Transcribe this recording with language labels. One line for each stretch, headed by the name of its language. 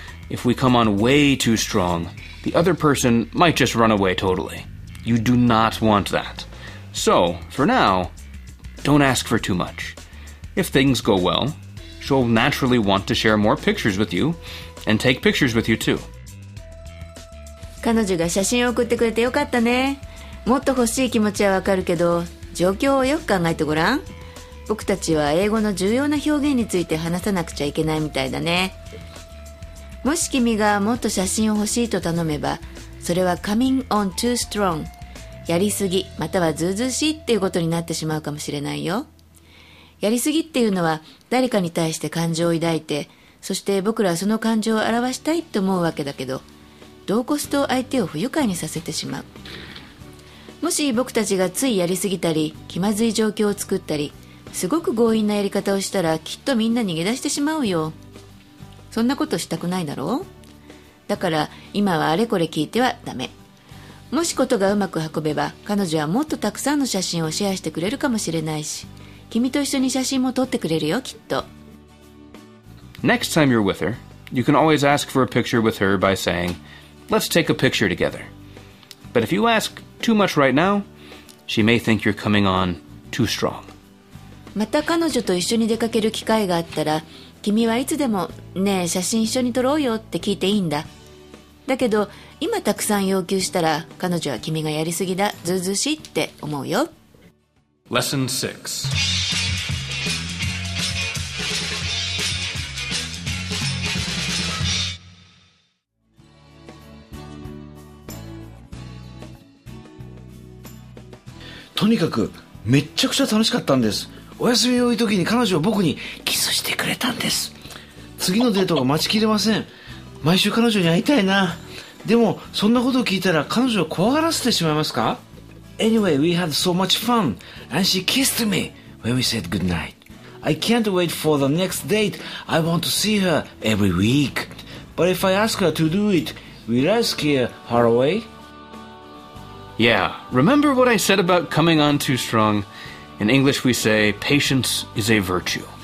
English: If we come on way too strong, the other person might just run away totally. You do not want that. So, for now, don't ask for too much. If things go well, she'll naturally want to share more pictures with you and take pictures with you too.
Japanese: 彼女が写真を送ってくれてよかったね。もっと欲しい気持ちはわかるけど、状況をよく考えてごらん。僕たちは英語の重要な表現について話さなくちゃいけないみたいだね。もし君がもっと写真を欲しいと頼めば、それは
English: coming on too strong、
Japanese: やりすぎまたはずうずうしいっていうことになってしまうかもしれないよ。やりすぎっていうのは誰かに対して感情を抱いて、そして僕らはその感情を表したいと思うわけだけど、どうこすと相手を不愉快にさせてしまう。もし僕たちがついやりすぎたり気まずい状況を作ったり、すごく強引なやり方をしたらきっとみんな逃げ出してしまうよ。そんなことしたくないだろう。だから今はあれこれ聞いてはダメ。もしことがうまく運べば、彼女はもっとたくさんの写真をシェアしてくれるかもしれないし、君と一緒に写真も撮ってくれるよ、きっと。
English: Next time you're with her, you can always ask for a picture with her by saying, Let's take a picture together. But if you ask too much right now, she may think you're coming on too strong.
Japanese: また彼女と一緒に出かける機会があったら、君はいつでも、ねえ、写真一緒に撮ろうよって聞いていいんだ。だけど、今たくさん要求したら、彼女は君がやりすぎだ、ずうずうしいって思うよ。
English: Lesson 6
Japanese: とにかくめっちゃくちゃ楽しかったんです。お休みの多い時に彼女は僕にキスしてくれたんです。次のデートが待ちきれません。毎週彼女に会いたいな。でもそんなことを聞いたら彼女を怖がらせてしまいますか。
English: Anyway, we had so much fun and she kissed me when we said goodnight. I can't wait for the next date. I want to see her every week. But if I ask her to do it, will I scare her away? Yeah, remember what I said about coming on too strong? In English we say, patience is a virtue.